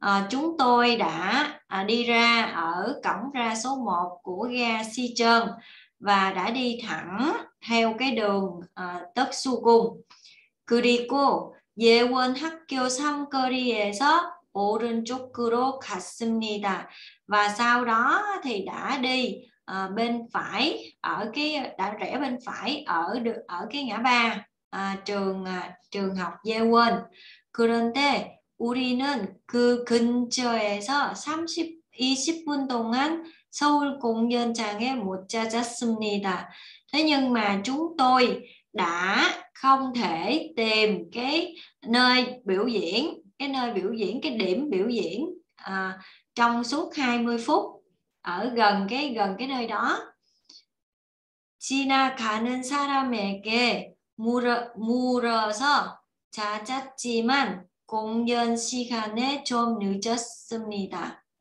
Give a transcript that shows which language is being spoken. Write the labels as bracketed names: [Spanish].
[Vietnamese] Chúng tôi đã đi ra ở cổng ra số 1 của ga Seocheon và đã đi thẳng theo cái đường Tteoksugung. [Korean] 그리고 예원 학교 삼거리에서 오른쪽으로 갔습니다. [Vietnamese] Và sau đó thì đã đi bên phải ở cái đã rẽ bên phải ở được ở cái ngã ba trường học Yewon. [Korean] 그런데 우리는 그 근처에서 20분 동안 서울 공연장에 못 찾았습니다. [Vietnamese] Thế nhưng mà chúng tôi đã không thể tìm cái nơi biểu diễn, cái điểm biểu diễn trong suốt 20 phút ở gần cái nơi đó. [Korean] 지나가는 사람에게 물어서 찾았지만 공연 시간에 좀 늦었습니다.